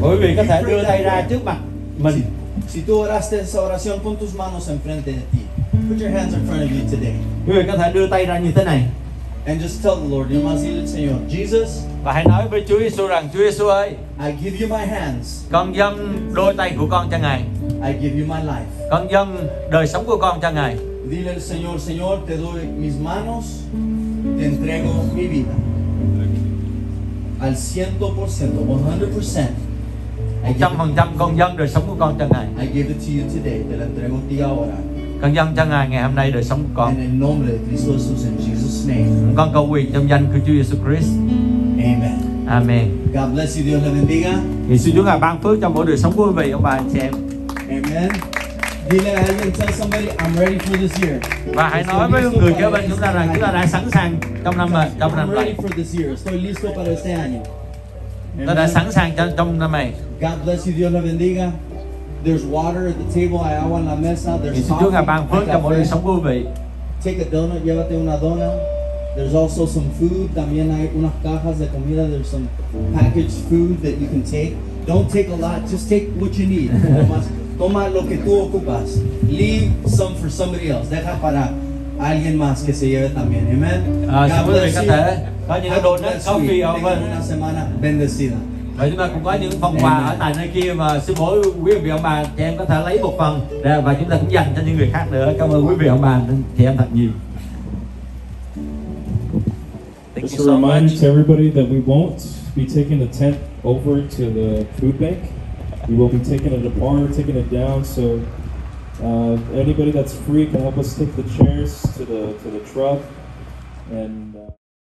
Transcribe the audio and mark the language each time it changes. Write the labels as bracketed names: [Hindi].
[Vietnamese] Quý vị có thể đưa tay ra trước mặt mình. [Spanish] Si tú oraste esa oración, pon tus manos en frente de ti. [English] Put your hands in front of you today. [Vietnamese] Quý vị có thể đưa tay ra như thế này. [English] And just tell the Lord, [Vietnamese] yêu mà xin lên [English] Señor, Jesus. [Vietnamese] Và hãy nói với Chúa Giêsu rằng, Chúa Giêsu ơi, [English] I give you my hands. [Vietnamese] Con dâng đôi tay của con cho Ngài. [English] I give you my life. [Vietnamese] Con dâng đời sống của con cho Ngài. [Spanish] Dile al Señor, Señor, te doy mis manos, te entrego mi vida. Al 100%, 100%. [Vietnamese] 100% con dâng đời sống của con cho Ngài. [English] I give it to you today, [Spanish] te la entrego a ti ahora. [Vietnamese] Con dâng cho Ngài ngày hôm nay đời sống của con. [English] In the name of Jesus, in Jesus' name. [Vietnamese] Con cầu nguyện trong danh của Chúa Jesus Christ. Amen. Amen. [English] God bless you, [Spanish] Dios le bendiga. [Vietnamese] Thì xin Chúa Ngài ban phước cho mỗi đời sống của quý vị, ông bà, anh chị em. [English] Amen. [Spanish] Dile a alguien, [English] tell somebody, I'm ready for this year. [Vietnamese] Và hãy nói với người kế bên chúng ta rằng chúng ta đã sẵn sàng trong năm này. [English] I'm ready for this year. [Spanish] Estoy listo para este año. [Vietnamese] Ta đã sẵn sàng trong năm này. [English] God bless you, [Spanish] Dios le bendiga. [English] There's water at the table, [Spanish] hay agua en la mesa. [English] There's coffee. [Vietnamese] Chúng ta ban phước cho mỗi đời sống của quý vị. [English] Take a donut, [Spanish] llévate una donut. [English] There's also some food. [Spanish] También hay unas cajas de comida. [English] There's some packaged food that you can take. Don't take a lot. Just take what you need. [Spanish] Toma lo que tú ocupas. [English] Leave some for somebody else. [Spanish] Deja para alguien más que se lleve también. Amen. [English] God bless you. Have a donut, [Spanish] semana bendecida. [Vietnamese] Và chúng ta cũng có những phần quà ở tại nơi kia mà sư phụ, quý vị ông bà, chị em có thể lấy một phần và chúng ta cũng dành cho những người khác nữa. Cảm ơn quý vị ông bà, chị em thật nhiều. [English] Just a reminder to everybody that we won't be taking the tent over to the food bank. We will be taking it apart, taking it down. So anybody that's free can help us take the chairs to the truck. And